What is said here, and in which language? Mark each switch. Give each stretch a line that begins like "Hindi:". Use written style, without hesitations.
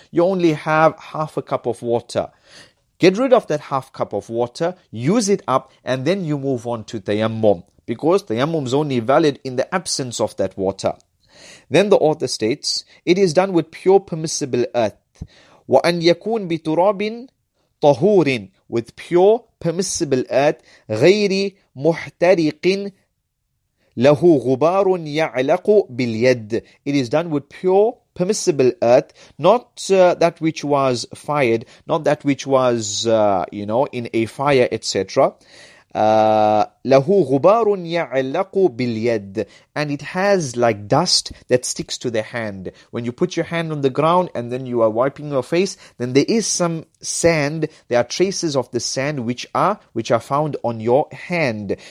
English: You only have half a cup of water. Get rid of that half cup of water, use it up, and then you move on to tayammum. Because tayammum is only valid in the absence of that water. Then the author states, it is done with pure permissible earth.
Arabic: وَأَنْ يَكُونْ بِتُرَابٍ طَهُورٍ.
English: With pure permissible earth,
Arabic: غَيْرِ مُحْتَرِقٍ لَهُ غُبَارٌ يَعْلَقُ بِالْيَدِ.
English: It is done with pure permissible earth, not that which was fired, not that which was, in a fire, etc.,
Arabic: لَهُ غُبَارٌ يَعْلَقُ بِالْيَدِ.
English: And it has like dust that sticks to the hand. When you put your hand on the ground and then you are wiping your face, then there is some sand, there are traces of the sand which are found on your hand.